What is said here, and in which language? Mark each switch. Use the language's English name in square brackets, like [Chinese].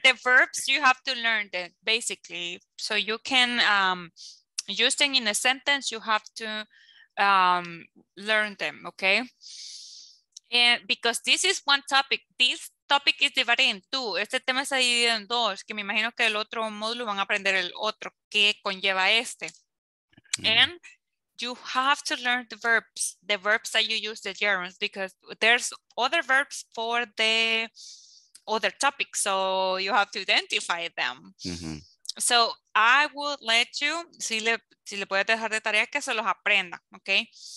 [English] The verbs you have to learn them basically, so you can use them in a sentence. You have to learn them, okay? And because this is one topic, this topic is divided in two. [Spanish] Este tema está dividido en dos, que me imagino que el otro módulo van a aprender el otro que conlleva este. [English] And you have to learn the verbs that you use, the gerunds, because there's other verbs for the other topic. So you have to identify them. So I would let you, [Spanish] si le puedes dejar de tarea, que se los aprenda, [English] okay?